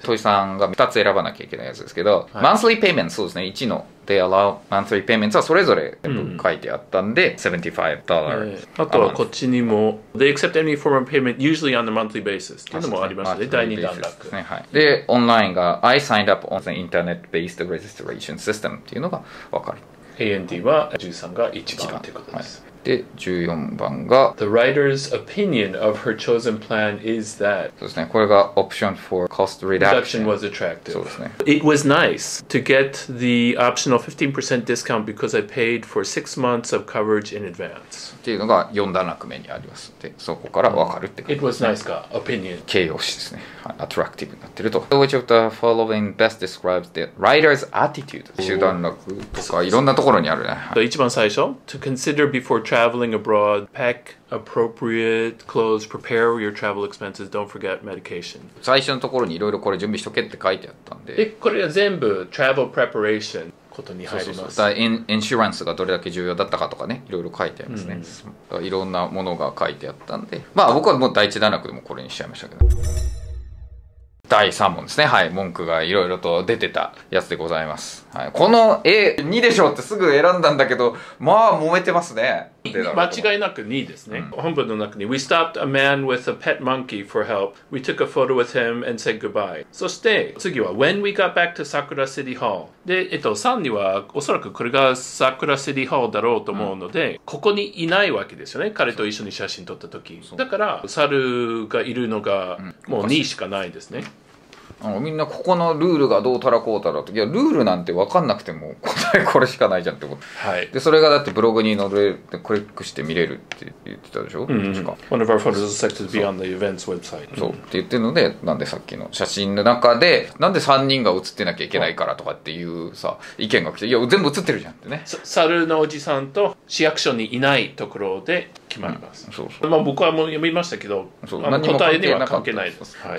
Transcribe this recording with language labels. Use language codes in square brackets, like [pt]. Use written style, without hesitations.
[ja] トイさんが2つ選ばなきゃいけないやつですけど、はい、マンスリーペイメント、そうですね、1の [en] They allow monthly payments [ja] はそれぞれ全部書いてあったんで、うん、$75、 [en] はい、あとはこっちにも They accept any form of payment usually on a monthly basis [ja] っていうのもありますね。第2段落 [en] ね、はい、 [ja] でオンラインが [en] I signed up on the internet based registration system っていうのが分かる。 [ja] AND は13が1番ということです、はい。で14番が [en] The writer's opinion of her chosen plan is that、 [ja] そうですね、これが [en] option for cost reduction was attractive、 [ja] そうですね、 [en] It was nice to get the optional 15% discount because I paid for 6 months of coverage in advance [ja] っていうのが4段落目にあります。でそこから分かるって感じ、ね、 [en] It was nice [ja] か opinion 形容詞ですね、はい、attractive になってると。 [en] Which of the following best describes the writer's attitude [ja] 集段落とかいろんなところにあるね、はい、一番最初 [en] To consider beforeTraveling abroad, pack appropriate clothes, prepare your travel expenses, don't forget medication. [ja] 最初のところにいろいろこれ準備しとけって書いてあったんで。え、これは全部 travel preparation ことに入ります。そうそうそう。インシュランスがどれだけ重要だったかとかね、いろいろ書いてありますね。いろんなものが書いてあったんで。まあ僕はもう第一段落でもこれにしちゃいましたけど。第3問ですね。はい、文句がいろいろと出てたやつでございます、はい、この A2 でしょってすぐ選んだんだけど、まあ揉めてますね。間違いなく2ですね、うん、本文の中に [en] We stopped a man with a pet monkey for help. We took a photo with him and said goodbye. [ja] そして次は [en] When we got back to Sakura City Hall [ja] で、3にはおそらくこれが Sakura City Hall だろうと思うので、うん、ここにいないわけですよね、彼と一緒に写真撮った時だから、猿がいるのがもう2しかないですね、うん、みんなここのルールがどうたらこうたらって、いやルールなんて分かんなくても答えこれしかないじゃんってこと、はい、でそれがだってブログに載るでクリックして見れるって言ってたでしょ、うんうん、確か [en] One of our photos is set to be on the events website [ja] そう、うん、って言ってるので、なんでさっきの写真の中でなんで3人が写ってなきゃいけないからとかっていうさ意見が来て、いや全部写ってるじゃんってね、猿のおじさんと市役所にいないところで決まります、うん、そうそう、まあ、僕はもう読みましたけど、そう、まあ、答えには関係ないです、はい、